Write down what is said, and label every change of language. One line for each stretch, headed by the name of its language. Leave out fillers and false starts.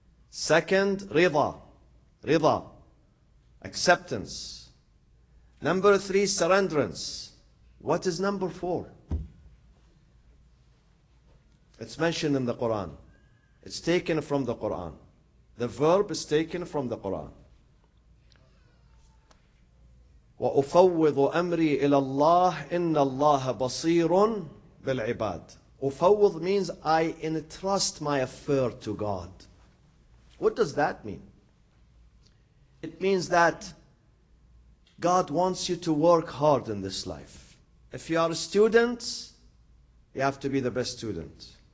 English: Second, rida, acceptance. Number three, surrenderance. What is number four? It's mentioned in the Quran. It's taken from the Quran. The verb is taken from the Quran.
Arabic: وأفوض أمري إلى الله إن الله بصير بالعباد.
English: أفوض means I entrust my affair to God. What does that mean? It means that God wants you to work hard in this life. If you are a student, you have to be the best student.